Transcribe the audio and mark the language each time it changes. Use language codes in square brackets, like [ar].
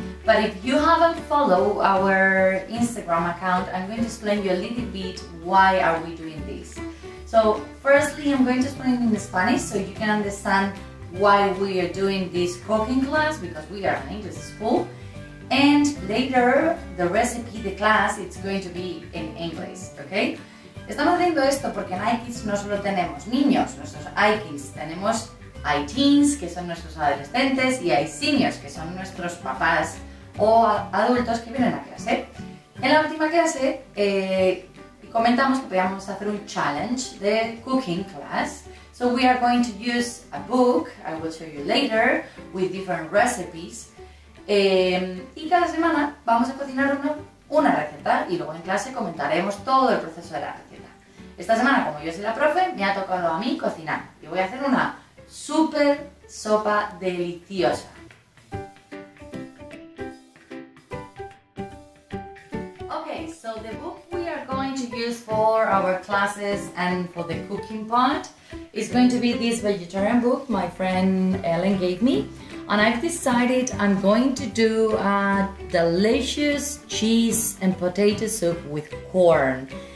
[en] But if you haven't followed our Instagram account, I'm going to explain you a little bit why are we doing this. So firstly, I'm going to explain it in Spanish so you can understand why we are doing this cooking class, because we are an English school. And later, the recipe, the class, it's going to be in English, okay? [es] Estamos haciendo esto porque en iKids no solo tenemos niños, nuestros iKids, tenemos iTeens, que son nuestros adolescentes, y iSeniors, que son nuestros papás o adultos que vienen a clase. En la última clase, comentamos que podíamos hacer un challenge de cooking class. [en] So we are going to use a book, I will show you later, with different recipes. [es] Y cada semana vamos a cocinar una receta y luego en clase comentaremos todo el proceso de la receta. Esta semana, como yo soy la profe, me ha tocado a mí cocinar y voy a hacer una super sopa deliciosa. [en] Okay, so the book we are going to use for our classes and for the cooking part is going to be this vegetarian book my friend Ellen gave me. And I've decided I'm going to do a delicious cheese and potato soup with corn.